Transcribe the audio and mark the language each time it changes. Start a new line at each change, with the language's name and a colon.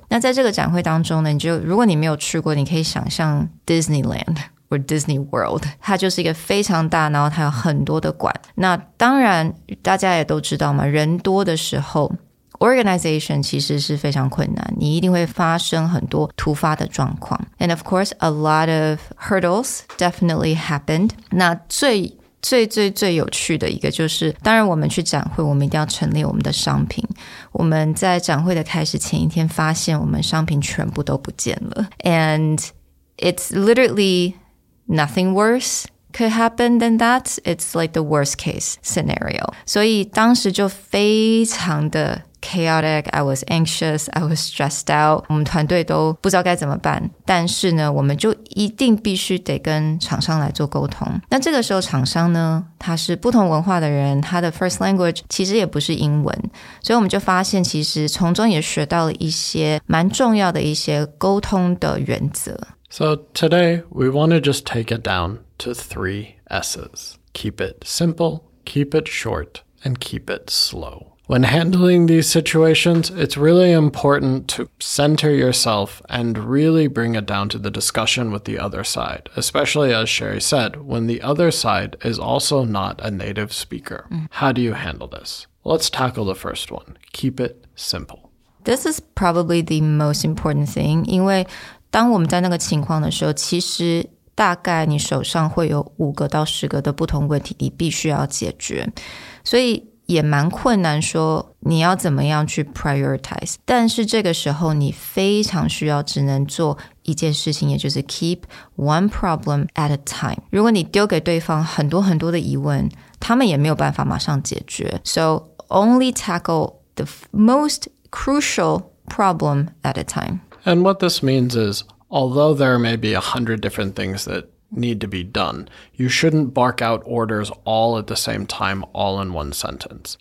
Chinese: 那在这个展会当中呢，你就如果你没有去过，你可以想象 Disneyland or Disney World, 它就是一个非常大，然后它有很多的馆。那当然大家也都知道嘛，人多的时候Organization 其实是非常困难，你一定会发生很多突发的状况。
English: And of course, a lot of hurdles definitely happened.
Chinese: 那最有趣的一个就是，当然我们去展会，我们一定要陈列我们的商品。我们在展会的开始前一天发现我们商品全部都不见了。
English: And it's literally nothing worse could happen than that. It's like the worst case scenario.
Chinese: 所以当时就非常的
English: chaotic, I was anxious, I was stressed out.
Chinese: 我们团队都不知道该怎么办。但是呢，我们就一定必须得跟厂商来做沟通。那这个时候厂商呢，他是不同文化的人，他的 first language 其实也不是英文。所以我们就发现其实从中也学到了一些蛮重要的一些沟通的原则。
English: So today, we want to just take it down to three S's. Keep it simple, keep it short, and keep it slow. When handling these situations, it's really important to center yourself and really bring it down to the discussion with the other side, especially as Sherry said, when the other side is also not a native speaker. How do you handle this? Let's tackle the first one. Keep it simple. This is probably the most important thing,
Chinese: 因为当我们在那个情况的时候，其实大概你手上会有5-10的不同问题你必须要解决。所以也蛮困难说你要怎么样去 prioritize, 但是这个时候你非常需要只能做一件事情，也就是
English: keep one problem at a time.
Chinese: 如果你丢给对方很多很多的疑问，他们也没有办法马上解决。
English: So only tackle the most crucial problem at a time. And what this means is, although there may be 100 different things thatneed to be done. You shouldn't bark out orders all at the same time, all in one sentence.